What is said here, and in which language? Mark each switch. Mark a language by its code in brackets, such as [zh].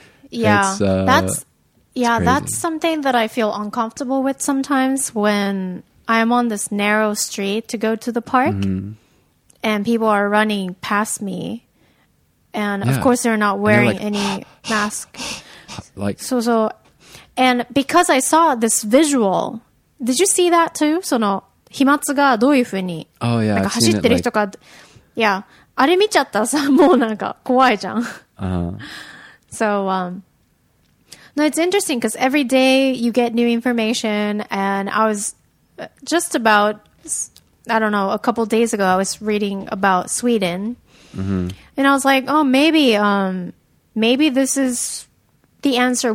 [en] yeah, it's, that's something that I feel uncomfortable with sometimes when I'm on this narrow street to go to the park and people are running past me and of course they're not wearing any mask. Like, so, and because I saw this visual, did you see that too? [ja] その飛沫がどういうふうに、 [en] oh, yeah, [ja] なんか走ってる人か、 [en] like... [ja] yeah, あれ見ちゃったさ、もうなんか怖いじゃん。 [en] So, no, it's interesting because every day you get new information and I was just about, I don't know, a couple days ago, I was reading about Sweden and I was like, oh, maybe this is the answer.